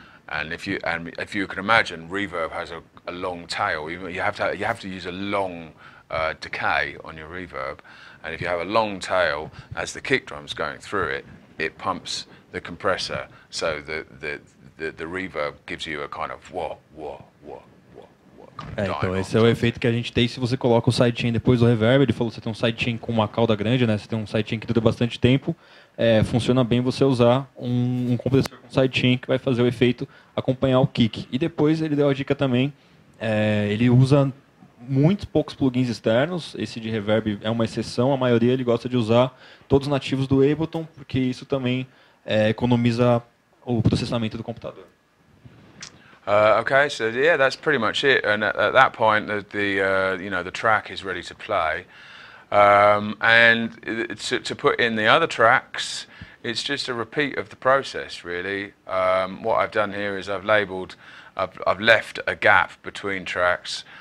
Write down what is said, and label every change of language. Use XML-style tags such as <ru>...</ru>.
<en>And if you can imagine, reverb has a long tail. You have to use a long decay on your reverb, and if you have a long tail, as the kick drum's going through it, it pumps the compressor, so the reverb gives you a kind of wah wah wah wah wah.</en> <pt>Então esse é o efeito que a gente tem se você coloca o sidechain depois do reverb. Ele falou que você tem um sidechain com uma cauda grande, né? Você tem um sidechain que dura bastante tempo. Funciona bem você usar um compressor com sidechain que vai fazer o efeito acompanhar o kick. E depois ele deu a dica também, ele usa muito poucos plugins externos, esse de reverb é uma exceção, a maioria ele gosta de usar todos nativos do Ableton, porque isso também economiza o processamento do computador.</pt> <en>Okay, so yeah, that's pretty much it. And at that point, the track is ready to play. And to put in the other tracks, it's just a repeat of the process, really. What I've done here is I've left a gap between tracks.</en>